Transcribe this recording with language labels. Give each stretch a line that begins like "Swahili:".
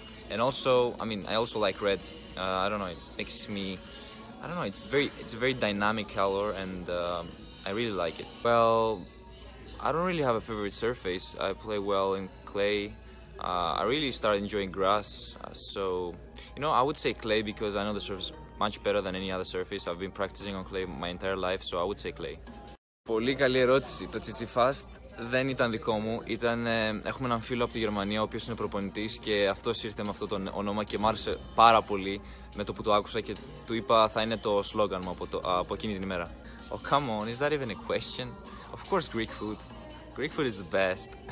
English: And also, I mean, I also like red. I don't know, it makes me, I don't know, it's a very dynamic color and I really like it. Well, I don't really have a favorite surface. I play well in clay. I really started enjoying grass. So, you know, I would say clay because I know the surface much better than any other surface. I've been practicing on clay my entire life, so I would say clay.
Greek: Πολύ καλή ερώτηση. Το Tsitsipas δεν ήταν δικό μου. Ήταν, έχουμε έναν φίλο από τη Γερμανία, ο οποίος είναι προπονητής και αυτός ήρθε με αυτό το όνομα και μ' άρεσε πάρα πολύ με το που το άκουσα και του είπα θα είναι το σλόγγαν μου από εκείνη την ημέρα.
English: Oh, come on, is that even a question? Of course, Greek food. Greek food is the best.